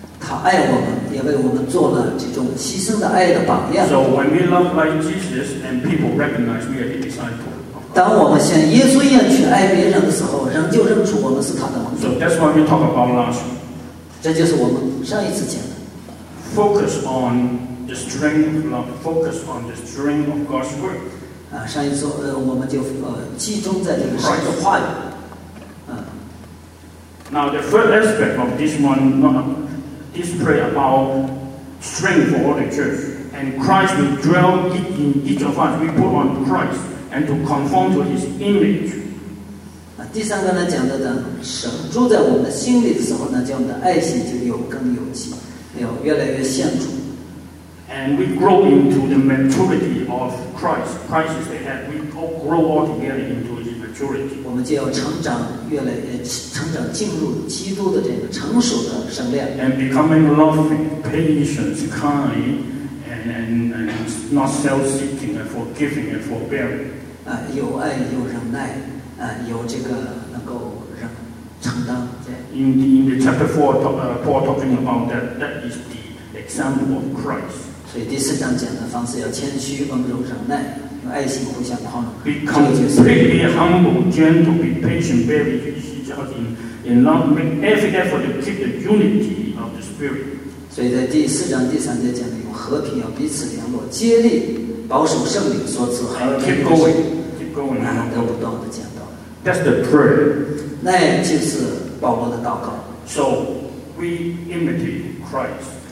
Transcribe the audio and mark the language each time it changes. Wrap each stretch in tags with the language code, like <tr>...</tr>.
<zh>他爱我们，也为我们做了这种牺牲的爱的榜样。</zh> <en>So when we love like Jesus, and people recognize we are the disciple.</en> <zh>当我们像耶稣一样去爱别人的时候，人就认出我们是他的门徒。</zh> <en>So that's why we talk about love.</en> <zh>这就是我们上一次讲的。</zh> <en>Focus on the strength of love. Focus on the strength of God's word.</en> <zh>啊，上一次我们就集中在这个神的话语。</zh> <en>Now the third aspect of this one, this prayer about strength for all the church, and Christ will dwell in each of us. We put on Christ and to conform to His image.</en> <zh>啊，第三个呢，讲的呢，神住在我们的心里的时候呢，叫我们的爱心就有根有基，要越来越显出。</zh> <en>And we grow into the maturity of Christ. Christ is the head. We all grow all together into His maturity.</en> <zh>我们就要成长，越来越成长，进入基督的这个成熟的圣量。</zh> <en>And becoming loving, patient, kind, and not self-seeking, and forgiving, and forbearing.</en> <zh>啊，有爱，有忍耐，啊，有这个能够忍承担。</zh> <en>In the chapter 4, Paul talking about that is the example of Christ.</en> <zh>所以第四章讲的方式要谦虚、温柔、忍耐，用爱心互相宽容。</zh> <en>Be completely humble, gentle, be patient, bear with each other in love, make every effort to keep the unity of the spirit.</en> <zh>所以在第四章第三节讲的，用和平要彼此联络，竭力保守圣灵所赐和平。</zh> <en>Keep going.</en> <zh>得不到的讲道。</zh> <en>That's the prayer.</en> <zh>那就是保罗的祷告。</zh> <en>So we imitate Christ.</en>